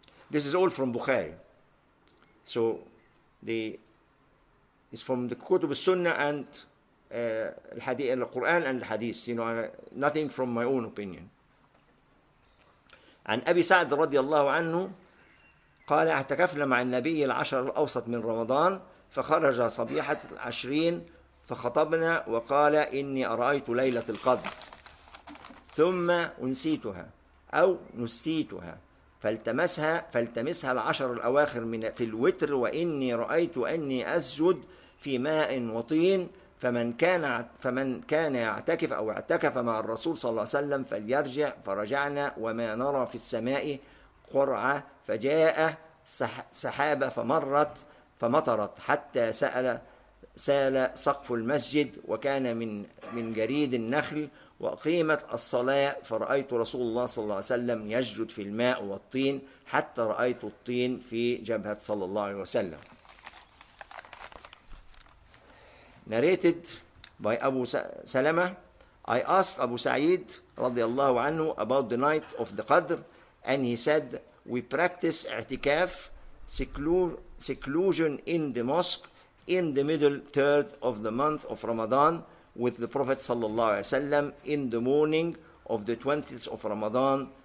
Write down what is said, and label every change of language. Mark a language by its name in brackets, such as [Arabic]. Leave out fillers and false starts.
[English] This is all from Bukhari. So it's from the Kutub al-Sunnah and al-Hadith, al-Quran and al-Hadith, you know, nothing from my own opinion. [Arabic] عن أبي سعد رضي الله عنه قال اعتكفنا مع النبي العشر الأوسط من رمضان، فخرج صبيحة العشرين فخطبنا وقال إني أرأيت ليلة القدر ثم أنسيتها أو نسيتها، فالتمسها العشر الأواخر من في الوتر، وإني رأيت أني أسجد في ماء وطين، فمن كان يعتكف أو اعتكف مع الرسول صلى الله عليه وسلم فليرجع، فرجعنا وما نرى في السماء قرعة، فجاء سحابة فمطرت حتى سال سقف المسجد، وكان من جريد النخل، وأقيمت الصلاة، فرأيت رسول الله صلى الله عليه وسلم يسجد في الماء والطين حتى رأيت الطين في جبهة صلى الله عليه وسلم. [English] Narrated by Abu Salama, I asked Abu Sa'id radiallahu anhu about the night of the Qadr, and he said, we practice i'tikaf, seclusion in the mosque, in the middle third of the month of Ramadan with the Prophet sallallahu alayhi wa sallam in the morning of the 20th of Ramadan.